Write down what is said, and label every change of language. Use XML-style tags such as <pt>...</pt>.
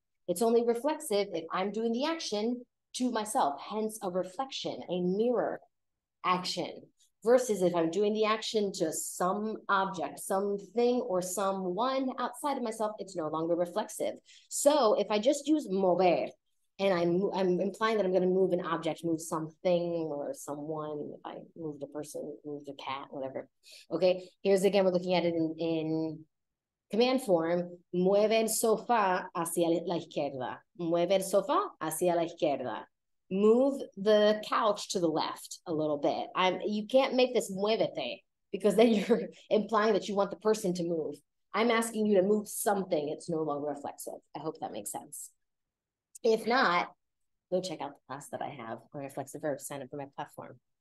<en>It's only reflexive if I'm doing the action to myself, hence a reflection, a mirror action, versus if I'm doing the action to some object, something, or someone outside of myself, it's no longer reflexive. So if I just use mover, and I'm implying that I'm going to move an object, move something or someone. If I moved a person, moved a cat, whatever. Okay, here's again, we're looking at it in command form.</en> <es>Mueve el sofá hacia la izquierda. Mueve el sofá hacia la izquierda.</es> <en>move the couch to the left a little bit. You can't make this muévete, because then you're implying that you want the person to move. I'm asking you to move something. It's no longer reflexive. I hope that makes sense. If not, go check out the class that I have on reflexive verbs. Sign up for my platform.</en>